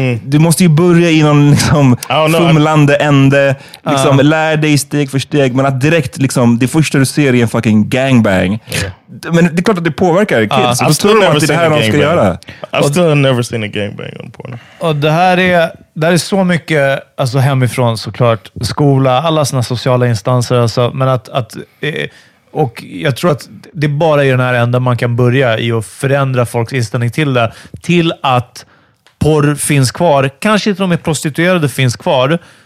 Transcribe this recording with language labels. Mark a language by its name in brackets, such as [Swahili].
[Swedish] Du måste ju börja i någon liksom fumlande ände. Liksom, lär dig steg för steg. Men att direkt liksom, det första du ser är en fucking gangbang. Yeah. Men det är klart att det påverkar kids. Då tror man att det här ska göra. [English] I've still never seen a gangbang on porn. [Swedish] Och det här är så mycket, alltså hemifrån såklart, skola, alla såna sociala instanser. Alltså, men att och jag tror att det är bara i den här änden man kan börja i att förändra folks inställning till det. Till att porr finns kvar. Kanske inte de är prostituerade finns kvar.